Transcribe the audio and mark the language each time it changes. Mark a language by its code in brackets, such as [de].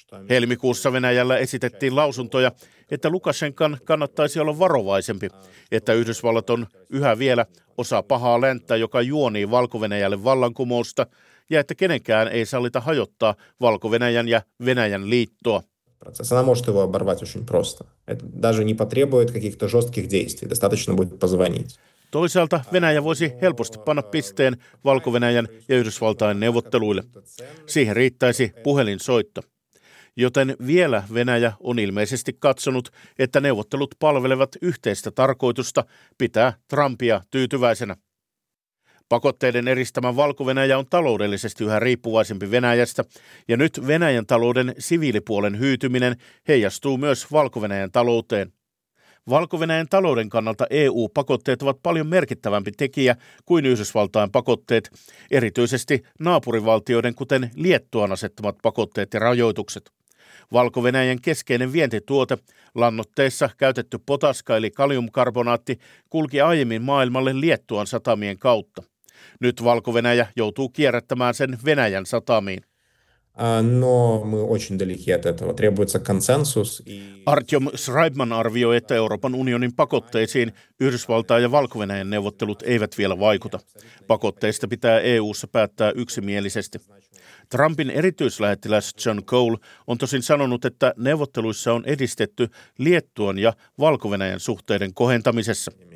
[fi] Helmikuussa Venäjällä esitettiin lausuntoja, että Lukashenkan kannattaisi olla varovaisempi, että Yhdysvallat on yhä vielä osa pahaa länttä, joka juonii Valko-Venäjälle vallankumousta, ja että kenenkään ei sallita hajottaa Valko-Venäjän ja Venäjän liittoa. [ru] Она может его оборвать очень просто. Это даже не потребует каких-то жестких действий. Достаточно будет позвонить. [fi] Toisaalta Venäjä voisi helposti panna pisteen Valko-Venäjän ja Yhdysvaltain neuvotteluille. Siihen riittäisi puhelinsoitto. Joten vielä Venäjä on ilmeisesti katsonut, että neuvottelut palvelevat yhteistä tarkoitusta pitää Trumpia tyytyväisenä. Pakotteiden eristämä Valko-Venäjä on taloudellisesti yhä riippuvaisempi Venäjästä, ja nyt Venäjän talouden siviilipuolen hyytyminen heijastuu myös Valko-Venäjän talouteen. Valko-Venäjän talouden kannalta EU-pakotteet ovat paljon merkittävämpi tekijä kuin Yhdysvaltain pakotteet, erityisesti naapurivaltioiden kuten Liettuan asettamat pakotteet ja rajoitukset. Valko-Venäjän keskeinen vientituote, lannoitteissa käytetty potaska eli kaliumkarbonaatti, kulki aiemmin maailmalle Liettuan satamien kautta. Nyt Valko-Venäjä joutuu kierrättämään sen Venäjän satamiin. [ru] Но мы очень далеки от этого. Требуется консенсус. [fi] Артём Shraipman arvioi, että Euroopan unionin pakotteisiin Yhdysvaltain ja Valko-Venäjän neuvottelut eivät vielä vaikuta. Pakotteista pitää EU:ssa päättää yksimielisesti. Trumpin erityislähettiläs John Cole on tosin sanonut, että neuvotteluissa on edistetty Liettuan ja Valko-Venäjän suhteiden kohentamisessa.